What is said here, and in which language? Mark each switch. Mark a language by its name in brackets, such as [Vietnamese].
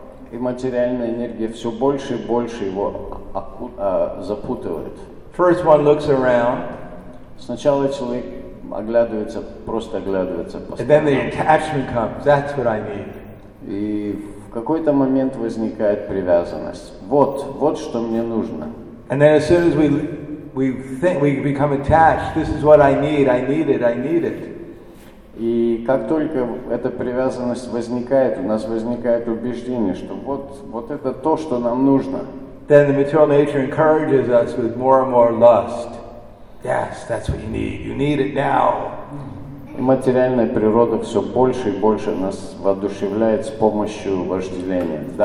[Russian] И материальная энергия все больше и больше его запутывает. [English] First one looks around. [Russian] Сначала человек оглядывается, просто оглядывается по сторонам. [English] And then the attachment comes. That's what I need. [Russian] И в какой-то момент возникает привязанность. Вот что мне нужно. [English] And then as soon as we think we become attached, this is what I need. I need it. I need it. [Russian] И как только эта привязанность возникает, у нас возникает убеждение, что вот это то, что нам нужно. [English] Then the material nature encourages us with more and more lust. Yes, that's what you need. You need it now. [Russian] Материальная природа все больше и больше нас воодушевляет с помощью вожделения.